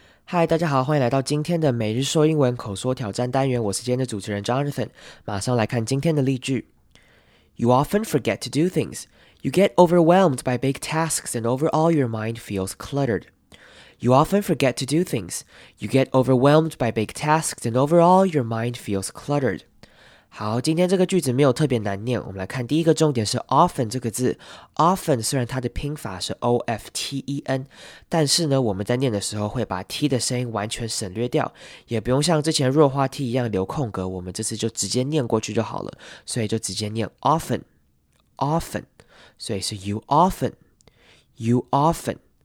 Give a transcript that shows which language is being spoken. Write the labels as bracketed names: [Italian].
[Chinese] 嗨，大家好，欢迎来到今天的每日说英文口说挑战单元。我是今天的主持人 Jonathan。马上来看今天的例句。 [English] You often forget to do things. You get overwhelmed by big tasks and overall your mind feels cluttered. You often forget to do things. You get overwhelmed by big tasks and overall your mind feels cluttered. [Chinese] 好，今天这个句子没有特别难念。我们来看第一个重点是 often 这个字。 often 虽然它的拼法是 often， 但是呢，我们在念的时候会把 t 的声音完全省略掉，也不用像之前弱化 t 一样留空格。我们这次就直接念过去就好了，所以就直接念 often， 所以是 [English] you often。